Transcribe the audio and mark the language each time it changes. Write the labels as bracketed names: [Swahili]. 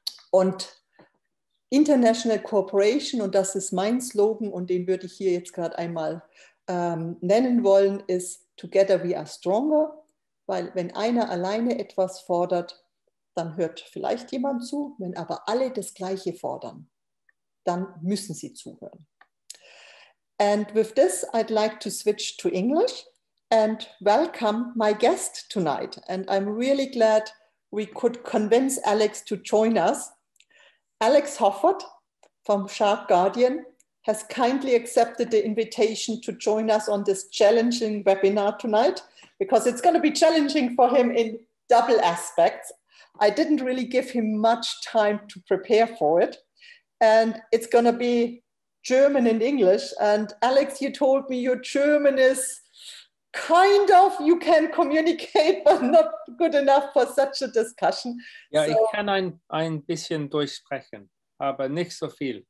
[German] Und [English] International Cooperation, [German] und das ist mein Slogan und den würde ich hier jetzt gerade einmal nennen wollen, ist [English] Together we are stronger, [German] weil wenn einer alleine etwas fordert, dann hört vielleicht jemand zu. Wenn aber alle das Gleiche fordern, dann müssen sie zuhören. [English] And with this, I'd like to switch to English and welcome my guest tonight. And I'm really glad we could convince Alex to join us. Alex Hofford from Shark Guardian has kindly accepted the invitation to join us on this challenging webinar tonight, because it's going to be challenging for him in double aspects. I didn't really give him much time to prepare for it. And it's going to be German and English. And Alex, you told me your German is kind of, you can communicate, but not good enough for such a discussion. [German] Yeah, so, ich kann ein bisschen Deutsch sprechen, aber nicht so viel.